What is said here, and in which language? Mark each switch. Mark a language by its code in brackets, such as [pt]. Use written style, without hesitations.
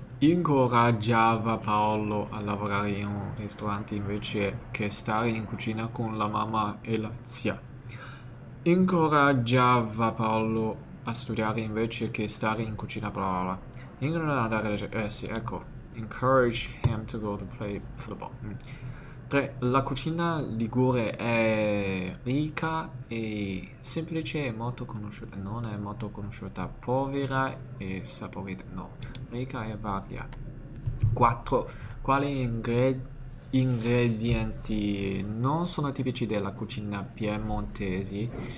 [it] incoraggiava Paolo a lavorare in un ristorante invece che stare in cucina con la mamma e la zia. Incoraggiava Paolo a studiare invece che stare in cucina. Bla bla bla. In dare, sì, ecco. [en] Encourage him to go to play football. 3. [it] La cucina ligure è ricca e semplice e molto conosciuta. Non è molto conosciuta, povera e saporita. No, ricca e varia. 4. Quali ingredienti non sono tipici della cucina piemontese?